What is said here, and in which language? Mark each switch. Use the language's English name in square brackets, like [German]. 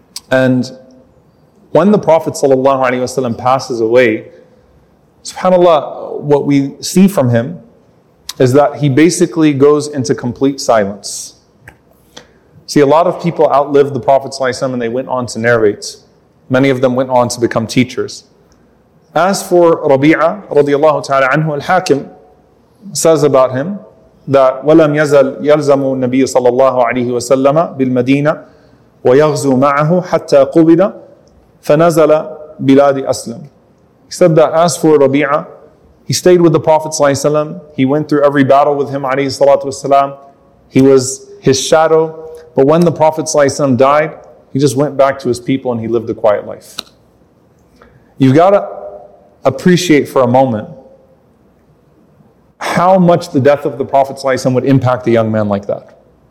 [English] And when the Prophet sallallahu alayhi wa sallam passes away, subhanAllah, what we see from him is that he basically goes into complete silence. See, a lot of people outlived the Prophet sallallahu alayhi wa sallam and they went on to narrate. Many of them went on to become teachers. As for Rabi'ah radiallahu ta'ala anhu, al-Hakim says about him, that [Arabic] وَلَمْ يَزَلْ يَلْزَمُ النَّبِيُّ صَلَى اللَّهُ عَلَيْهِ وَسَلَّمَ بِالْمَدِينَةِ وَيَغْزُ مَعَهُ حَتَّى قُبِدَ فَنَزَلَ بِلَادِ أَسْلَمُ. [English] He said that as for Rabi'ah, he stayed with the Prophet ﷺ. He went through every battle with him عليه الصلاة والسلام. He was his shadow. But when the Prophet ﷺ died, he just went back to his people and he lived a quiet life. You've got to appreciate for a moment how much the death of the Prophet ﷺ would impact a young man like that.